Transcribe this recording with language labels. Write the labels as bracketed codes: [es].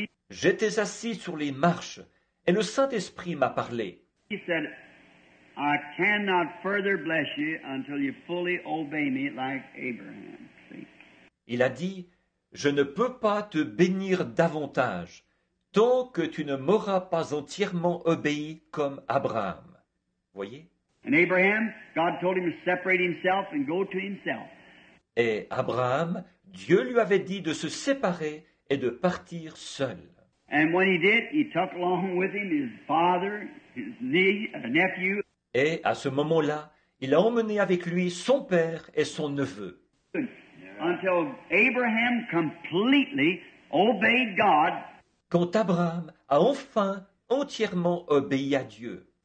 [fr] J'étais assis sur les marches et le Saint-Esprit m'a parlé. [en] He said, I cannot further bless you until you fully obey me like Abraham. [fr] Il a dit, je ne peux pas te bénir davantage tant que tu ne m'auras pas entièrement obéi comme Abraham. Voyez? [en] And Abraham, God told him to separate himself and go to himself. [fr] Et Abraham, Dieu lui avait dit de se séparer et de partir seul. [en] And when he did, he took along with him his father, his nephew. [fr] Et à ce moment-là, il a emmené avec lui son père et son neveu. [en] Until Abraham completely obeyed God. [fr] Quand Abraham a enfin entièrement obéi à Dieu.